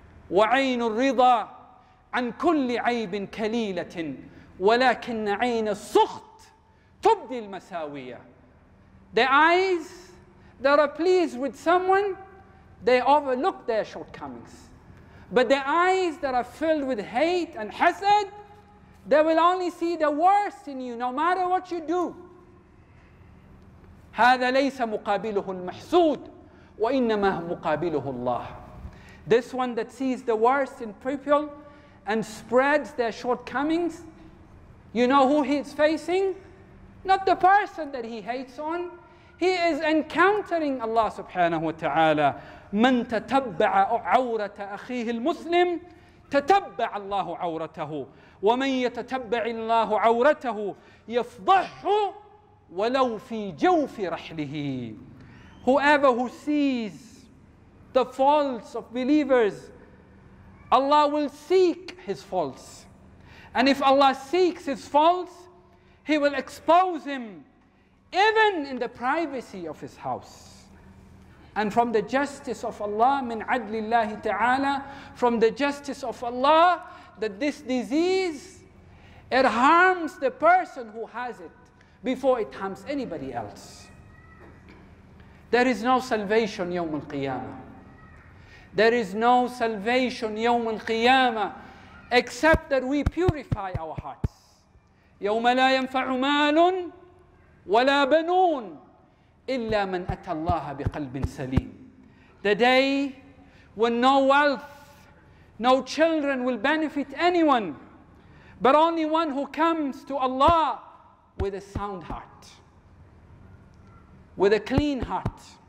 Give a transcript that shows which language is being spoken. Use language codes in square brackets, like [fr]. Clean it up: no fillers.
[ar] وَعَيْنُ الرِّضَى عَنْ كُلِّ عَيْبٍ كَلِيلَةٍ وَلَكِنَّ عَيْنَ الصُّخْتِ تُبْدِي الْمَسَاوِيَةِ. [en] The eyes that are pleased with someone, they overlook their shortcomings. But the eyes that are filled with hate and hasad, they will only see the worst in you no matter what you do. [ar] هذا ليس مقابله المحسود وإنما مقابله الله. [en] This one that sees the worst in people and spreads their shortcomings, you know who he is facing? Not the person that he hates on. He is encountering Allah subhanahu wa ta'ala. [ar] من تتبع عورة أخيه المسلم تتبع الله عورته ومن يتتبع الله عورته يفضحه وَلَوْ فِي جَوْفِ رَحْلِهِ. [en] Whoever who sees the faults of believers, Allah will seek his faults. And if Allah seeks his faults, he will expose him even in the privacy of his house. And from the justice of Allah, [ar] مِنْ عَدْلِ اللَّهِ تَعَالَى, [en] from the justice of Allah, that this disease It harms the person who has it before it harms anybody else. There is no salvation [ar] يوم القيامة. [en] There is no salvation يوم القيامة except that we purify our hearts. [ar] يوم لا ينفع مال ولا بنون إلا من أتى الله بقلب سليم. [en] The day when no wealth, no children will benefit anyone, but only one who comes to Allah with a sound heart, with a clean heart.